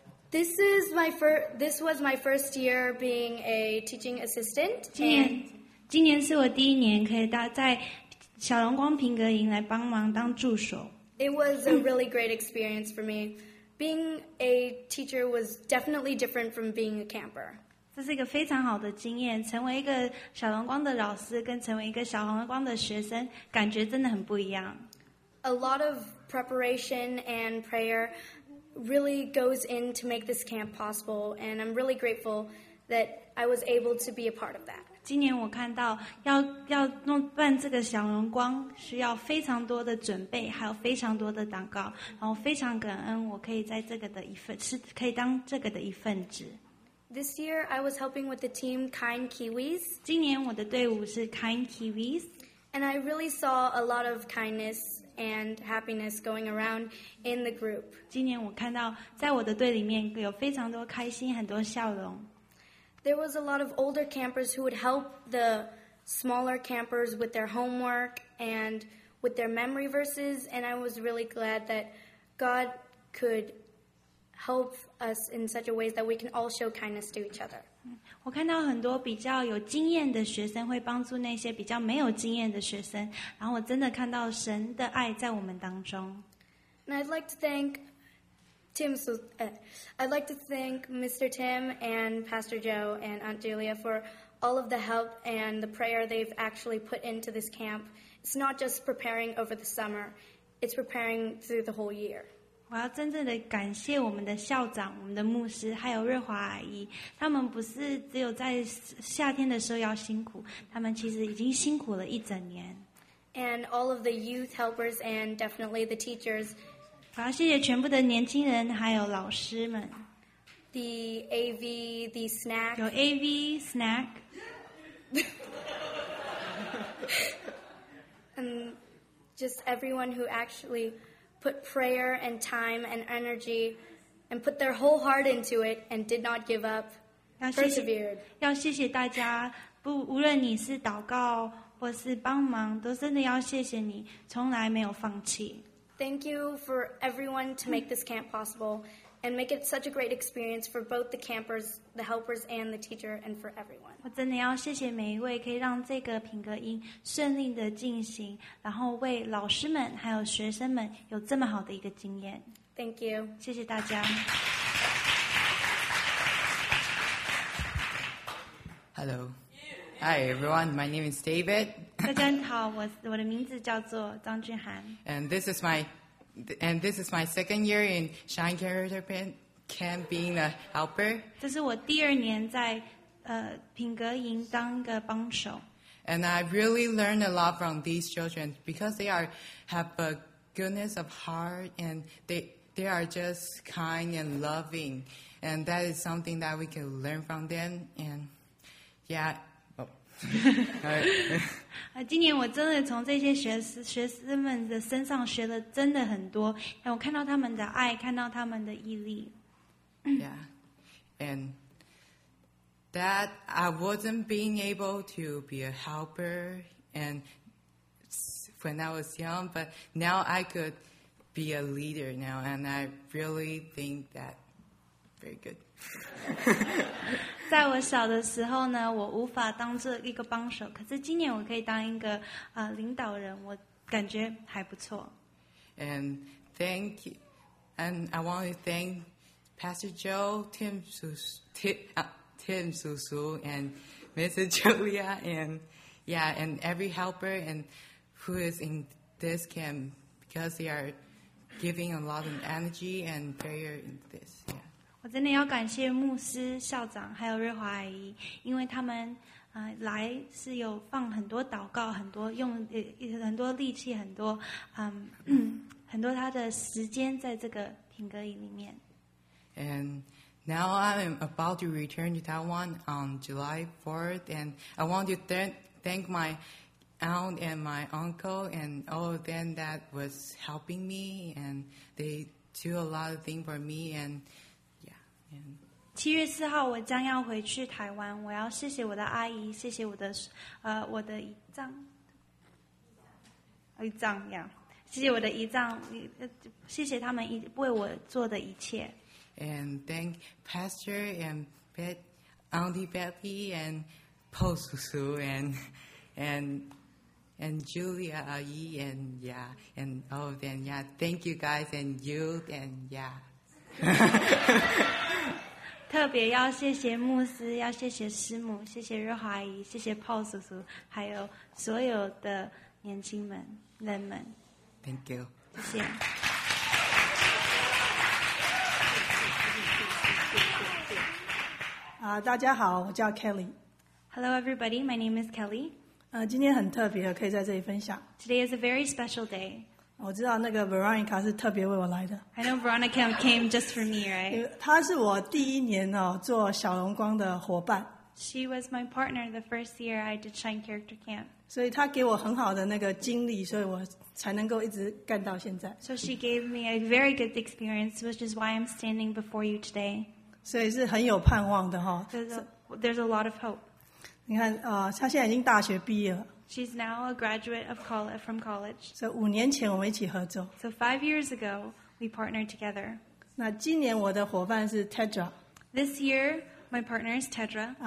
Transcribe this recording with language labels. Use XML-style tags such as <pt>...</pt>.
<en>This was my first year being a teaching assistant.</en> <zh>今年是我第一年可以在小荣光品格营来帮忙当助手。</zh> <en>It was a really great experience for me. Being a teacher was definitely different from being a camper.</en> <zh>这是一个非常好的经验，成为一个小荣光的老师跟成为一个小荣光的学生感觉真的很不一样。</zh> <en>A lot of preparation and prayer really goes in to make this camp possible, and I'm really grateful that I was able to be a part of that.</en> <zh>今年我看到要弄办这个小荣光需要非常多的准备，还有非常多的祷告，然后非常感恩我可以在这个的一份是可以当这个的一份子。</zh> <en>This year, I was helping with the team Kind Kiwis.</en> <zh>今年我的队伍是 Kind Kiwis.</zh> <en>And I really saw a lot of kindness and happiness going around in the group.</en> <zh>今年我看到在我的队里面有非常多开心，很多笑容。</zh> <en>There was a lot of older campers who would help the smaller campers with their homework and with their memory verses, and I was really glad that God could help us in such a way that we can all show kindness to each other.</en> <zh>我看到很多比较有经验的学生会帮助那些比较没有经验的学生，然后我真的看到神的爱在我们当中。</zh> <en>And I'd like to thank Tim. I'd like to thank Mr. Tim and Pastor Joe and Aunt Julia for all of the help and the prayer they've actually put into this camp. It's not just preparing over the summer; it's preparing through the whole year.</en> <zh>我要真正的感谢我们的校长、我们的牧师，还有瑞华阿姨。他们不是只有在夏天的时候要辛苦，他们其实已经辛苦了一整年。</zh> <en>And all of the youth helpers and definitely the teachers.</en> <zh>我要谢谢全部的年轻人，还有老师们。</zh> <en>The AV, the snack.</en> <zh>有 AV, snack.</zh> <en>And just everyone who actually... put prayer and time and energy and put their whole heart into it and did not give up, persevered.</en> <zh>要谢谢大家，不，无论你是祷告或是帮忙，都真的要谢谢你，从来没有放弃。</zh> <en>Thank you for everyone to make this camp possible and make it such a great experience for both the campers, the helpers, and the teacher, and for everyone.</en> <zh>我真的要谢谢每一位可以让这个品格营顺利的进行，然后为老师们还有学生们有这么好的一个经验。</zh> <en>Thank you.</en> <zh>谢谢大家。</zh> <en>Hello. Hi, everyone. My name is David.</en> <zh>大家好，我的名字叫做张俊涵。</zh> <en>And this is my second year in Shine Character Camp being a helper.</en> <zh>这是我第二年在品格营当一个帮手。</zh> <en>And I really learned a lot from these children because they have a goodness of heart and they are just kind and loving. And that is something that we can learn from them. And yeah.</en> <zh>今年我真的从这些学生们的身上学了真的很多，我看到他们的爱，看到他们的毅力。</zh> <en>Yeah, and that I wasn't being able to be a helper and when I was young, but now I could be a leader now, and I really think that very good.</en> <zh>在我小的时候呢，我无法当做一个帮手，可是今年我可以当一个领导人，我感觉还不错。</zh> <en>And thank you, and I want to thank Pastor Joe, Tim 叔叔 and Mrs. Julia, and yeah, and every helper and who is in this camp because they are giving a lot of energy and prayer in this. Yeah.</en> <zh>我真的要感谢牧师、校长还有瑞华阿姨，因为他们来是有放很多祷告，很多用很多力气，很多很多他的时间在这个品格里面。</zh> <en>And now I am about to return to Taiwan on July 4th, and I want to thank my aunt and my uncle and all of them that was helping me, and they do a lot of things for me, and yeah. And</en> <zh>七月四号我将要回去台湾，我要谢谢我的阿姨，谢谢我的我的姨丈，姨丈呀， yeah. 谢谢我的姨丈，谢谢他们为我做的一切。</zh> <en>And thank Pastor and Auntie Betty and Paul Susu and Julia Ayi and yeah and all of them. Yeah, thank you guys and you and yeah.</en> <zh>特别要谢谢牧师，要谢谢师母，谢谢瑞华阿姨，谢谢 Paul Susu， 还有所有的年轻们、人们。</zh> <en>Thank you.</en> <zh>谢谢。大家好，我叫 Kelly。</zh> <en>Hello, everybody. My name is Kelly.</en> <zh>今天很特别，可以在这里分享。</zh> <en>Today is a very special day.</en> <zh>我知道那个 Veronica 是特别为我来的。</zh> <en>I know Veronica came just for me, right?</en> <zh>她是我第一年做小荣光的伙伴。</zh> <en>She was my partner the first year I did Shine Character Camp.</en> <zh>所以她给我很好的那个经历，所以我才能够一直干到现在。</zh> <en>So she gave me a very good experience, which is why I'm standing before you today.</en> <zh>所以是很有盼望的哈。</zh> <en>There's a lot of hope.</en> <zh>你看，他现在已经大学毕业了。</zh> <en>She's now a graduate of college from college.</en> <zh>所以五年前我们一起合作。</zh> <en>So 5 years ago, we partnered together.</en> <zh>那今年我的伙伴是 Tedra.</zh> <en>This year, my partner is Tedra.</en>